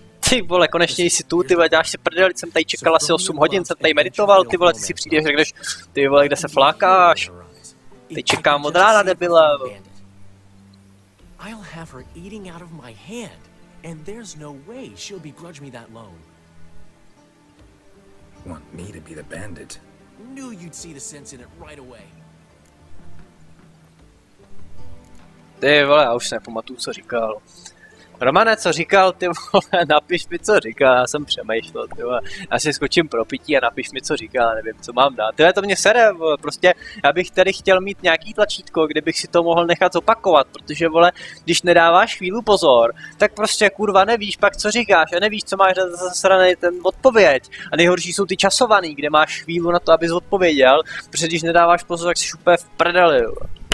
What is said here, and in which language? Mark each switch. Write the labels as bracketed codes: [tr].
[cs] Ty vole, konečně jsi tu, ty vole, děláš si prdel, jsem tady čekal asi 8 hodin, jsem tady meditoval, ty vole, ty si přijdeš, řekneš, ty vole, kde se flákáš? Ty čekám od rána, debila. [en] I'll have her eating out of my hand, and there's no way she'll begrudge me that loan. Want me to be the bandit? Knew you'd see the sense in it right away. [cs] Ty vole, já už se nepamatuju, co říkal. Romane, co říkal, ty vole, napiš mi, co říkal, já jsem přemýšlel, ty vole, já si skočím pro pití a napiš mi, co říkal, nevím, co mám dát, ty vole, to mě sere, vole, prostě, já bych tady chtěl mít nějaký tlačítko, kdybych si to mohl nechat zopakovat, protože, vole, když nedáváš chvílu pozor, tak prostě, kurva, nevíš pak, co říkáš a nevíš, co máš za zasraný ten odpověď a nejhorší jsou ty časovaný, kde máš chvílu na to, abys odpověděl, protože když nedáváš pozor, tak jsi úplně v prdeli, vole.